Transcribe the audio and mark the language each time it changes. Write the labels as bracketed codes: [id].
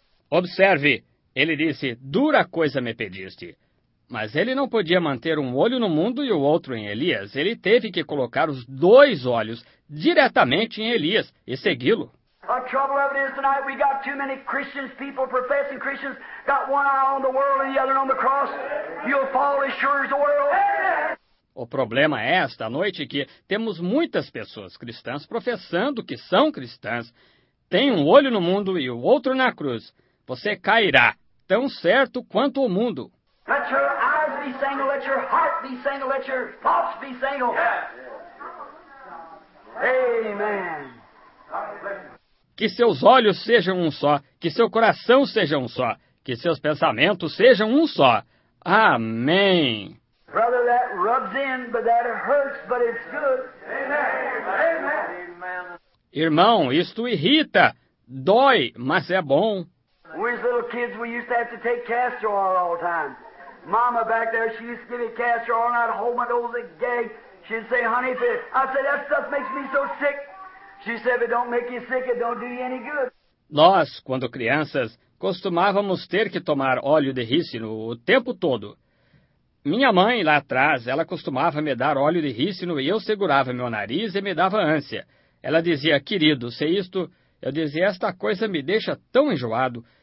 [pt] Observe, ele disse, dura coisa me pediste. Mas ele não podia manter um olho no mundo e o outro em Elias. Ele teve que colocar os dois olhos diretamente em Elias e segui-lo. [en] A trouble of it is tonight we got too many Christians, people professing Christians, got one eye on the world and the other on the cross. You'll fall as sure as the world. [pt] O problema é esta noite que temos muitas pessoas cristãs professando que são cristãs. Tem um olho no mundo e o outro na cruz. Você cairá, tão certo quanto o mundo. [en] Let your eyes be single, let your heart be single, let your thoughts be single. Yes. Amen. [pt] Que seus olhos sejam um só, que seu coração seja um só, que seus pensamentos sejam um só. Amém. [en] Brother, that rubs in, but that hurts, but it's good. Amen. Amen. [pt] Irmão, isto irrita, dói, mas é bom. [en] We as little kids, we used to have to take castor oil all the time. Mama back there, she used to give me castor oil and I'd hold my nose and gag. She'd say, honey, if it... I said, that stuff makes me so sick. She said, if it don't make you sick, it don't do you any good. [pt] Nós, quando crianças, costumávamos ter que tomar óleo de rícino o tempo todo. Minha mãe, lá atrás, ela costumava me dar óleo de rícino e eu segurava meu nariz e me dava ânsia. Ela dizia, querido, se isto... Eu dizia, esta coisa me deixa tão enjoado.